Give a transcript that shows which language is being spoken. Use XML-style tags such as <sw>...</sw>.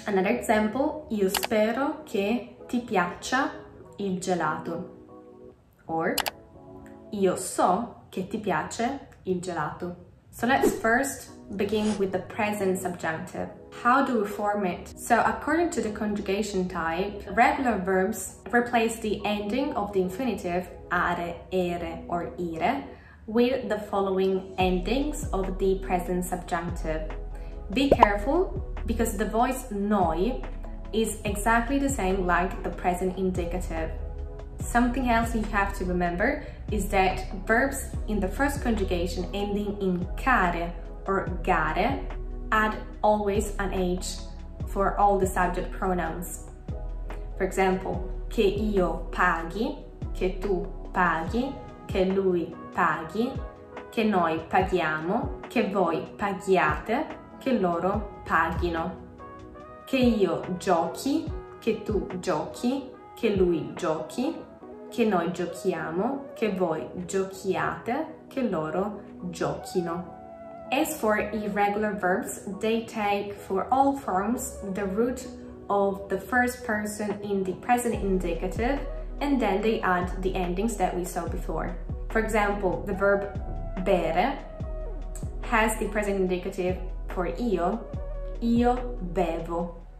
<en>Another example,</en> <it>io spero che ti piaccia il gelato.</it> <en>Or,</en> <it>io so che ti piace il gelato.</it> <en>So let's first begin with the present subjunctive. How do we form it? So according to the conjugation type, regular verbs replace the ending of the infinitive are, ere or ire with the following endings of the present subjunctive. Be careful because the voice noi is exactly the same like the present indicative. Something else you have to remember is that verbs in the first conjugation ending in care or gare add always an H for all the subject pronouns.</en> <it>For example, che io paghi, che tu paghi, che lui paghi, che noi paghiamo, che voi paghiate, che loro paghino. Che io giochi, che tu giochi, che lui giochi, che noi giochiamo, che voi giochiate, che loro giochino.</it> <en>As for irregular verbs, they take for all forms the root of the first person in the present indicative and then they add the endings that we saw before. For example, the verb bere has the present indicative for io,</en> <it>io bevo.</it>